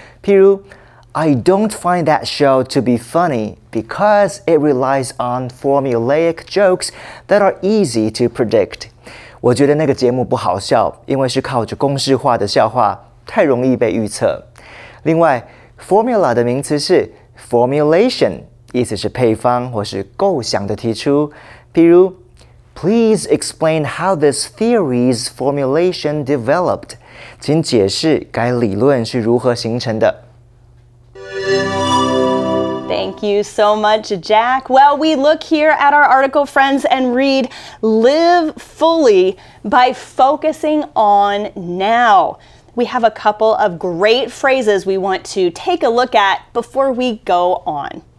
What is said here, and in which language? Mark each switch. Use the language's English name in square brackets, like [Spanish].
[English] 譬如 ，I don't find that show to be funny because it relies on formulaic jokes that are easy to predict。 [Chinese] 我觉得那个节目不好笑，因为是靠着公式化的笑话，太容易被预测。另外 ，formula 的名词是 formulation， 意思是配方或是构想的提出。 [English] 譬如 ，Please explain how this theory's formulation developed。 [Chinese] 请解释该理论是如何形成的。 [English] Thank you so much, Jack. Well, we look here at our article, friends, and read, live fully by focusing on now. We have a couple of great phrases we want to take a look at before we go on.